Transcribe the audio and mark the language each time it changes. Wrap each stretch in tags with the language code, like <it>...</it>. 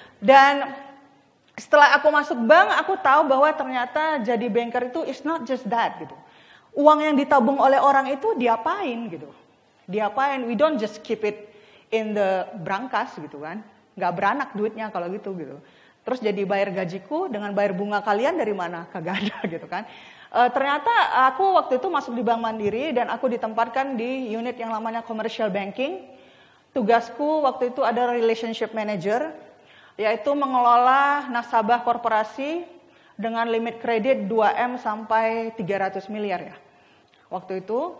<id>Dan setelah aku masuk bank, aku tahu bahwa ternyata jadi banker itu</id> <en>it's not just that</en> <id>gitu. Uang yang ditabung oleh orang itu diapain gitu. Diapain,</id> <en>we don't just keep it in the brankas gitu kan.</en> <id>Gak beranak duitnya kalau gitu gitu. Terus jadi bayar gajiku dengan bayar bunga kalian dari mana? Kagak ada gitu kan. Ternyata aku waktu itu masuk di Bank Mandiri dan aku ditempatkan di unit yang namanya commercial banking. Tugasku waktu itu ada relationship manager, yaitu mengelola nasabah korporasi dengan limit kredit 2M sampai 300 miliar ya waktu itu.</id>